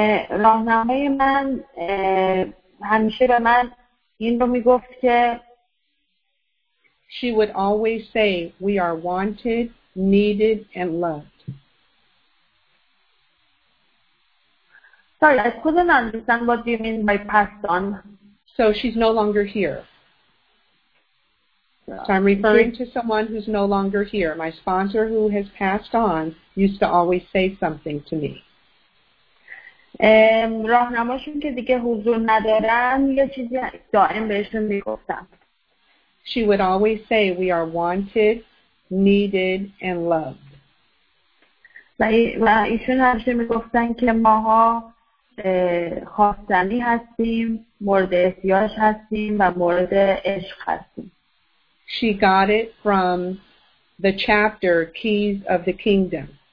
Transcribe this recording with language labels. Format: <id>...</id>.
<fa>راهنمای من همیشه به من این رو میگفت که</fa> <en>she would always say, we are wanted, needed, and loved. Sorry, I couldn't understand what you mean by passed on. So she's no longer here. So I'm referring to someone who's no longer here. My sponsor who has passed on used to always say something to me.</en> <fa>راهنماشون که دیگه حضور ندارن یه چیزی دائم بهشون میگفتن.</fa> <en>She would always say we are wanted, needed, and loved.</en> <fa>و ایشون همیشه میگفتن که ماها خواستنی هستیم، مورد احتیاج هستیم و مورد عشق هستیم.</fa> <en>She got it from the chapter Keys of the Kingdom.</en>